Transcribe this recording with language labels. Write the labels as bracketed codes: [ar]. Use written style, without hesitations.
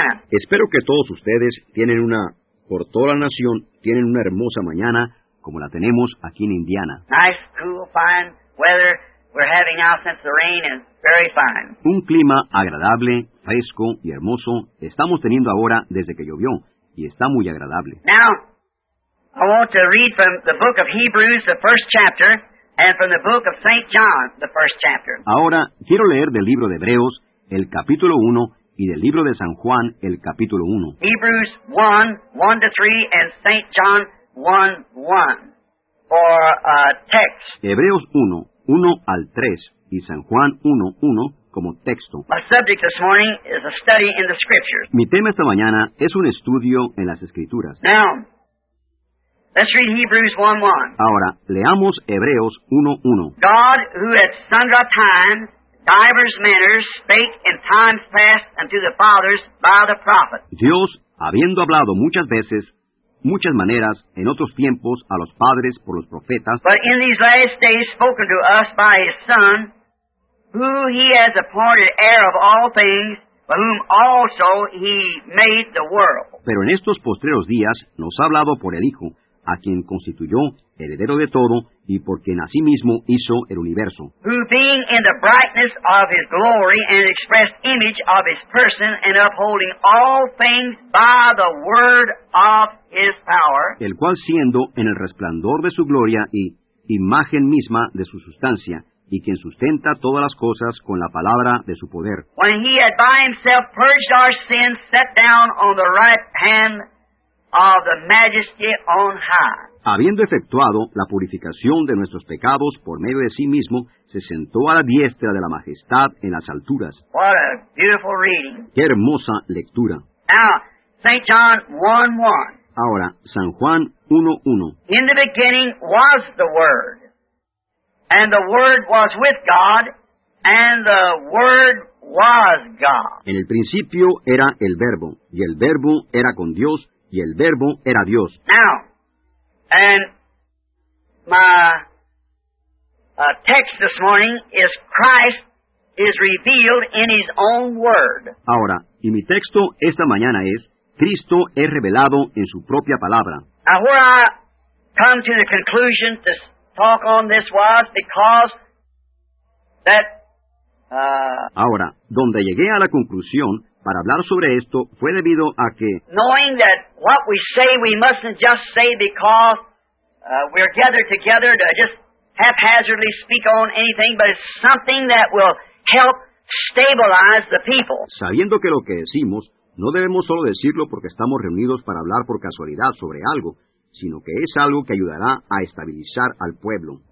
[es] Espero que todos ustedes tienen una, por toda la nación, tienen una hermosa mañana como la tenemos aquí en Indiana. [en] Nice, cool, fine weather. We're having now since the rain is very fine. [es] Un clima agradable, fresco y hermoso estamos teniendo ahora desde que llovió, y está muy agradable. [en] Now, I want to read from the book of Hebrews, the first chapter, and from the book of St. John, the first chapter. [es] Ahora, quiero leer del libro de Hebreos, el capítulo 1, y del libro de San Juan, el capítulo 1. [en] Hebrews 1, 1-3, and St. John 1, 1, for a text. [es] Hebreos 1. 1 al 3 y San Juan 1, 1 como texto. [en] My subject this morning is a study in the scriptures. [es] Mi tema esta mañana es un estudio en las escrituras. [en] Now, let's read Hebrews 1, 1. [es] Ahora, leamos Hebreos 1, 1. [en] God, who at sundry times, divers manners, spake in times past unto the fathers by the prophets. [es] Dios, habiendo hablado muchas veces, muchas maneras, en otros tiempos, a los padres por los profetas. [en] But in these last days spoken to us by his Son, who he has appointed heir of all things, by whom also he made the world. [es] Pero en estos postreros días nos ha hablado por el Hijo, a quien constituyó heredero de todo, y por quien a sí mismo hizo el universo. [en] Who being in the brightness of his glory, and expressed image of his person, and upholding all things by the word of his power. [es] El cual siendo en el resplandor de su gloria, y imagen misma de su sustancia, y quien sustenta todas las cosas con la palabra de su poder. [en] When he had by himself purged our sins, sat down on the right hand of the majesty on high. [es] Habiendo efectuado la purificación de nuestros pecados por medio de sí mismo, se sentó a la diestra de la majestad en las alturas. [en] What a beautiful reading. [es] ¡Qué hermosa lectura! [en] Now, St. John 1:1. [es] Ahora, San Juan 1:1. [en] In the beginning was the Word, and the Word was with God, and the Word was God. [es] En el principio era el Verbo, y el Verbo era con Dios, y el Verbo era Dios. [en] Now, and my text this morning is Christ is revealed in His own Word. [es] Ahora, y mi texto esta mañana es Cristo es revelado en su propia palabra. [en] Now, where I come to the conclusion to talk on this was because that. [es] Ahora, donde llegué a la conclusión para hablar sobre esto fue debido a que [en] knowing that what we say we mustn't just say because we're gathered together to just haphazardly speak on anything, but it's something that will help stabilize the people. [es] Sabiendo que lo que decimos no debemos solo decirlo porque estamos reunidos para hablar por casualidad sobre algo, sino que es algo que ayudará a estabilizar al pueblo.